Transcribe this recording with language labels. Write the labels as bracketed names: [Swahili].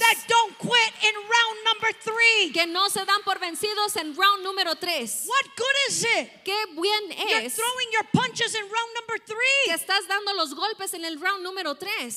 [English] That don't quit in round number three. [Spanish] Que no se dan por vencidos en round número tres. [English] What good is it? [Spanish] Qué bien es. [English] You're throwing your punches in round number three. [Spanish] Que estás dando los golpes en el round número tres.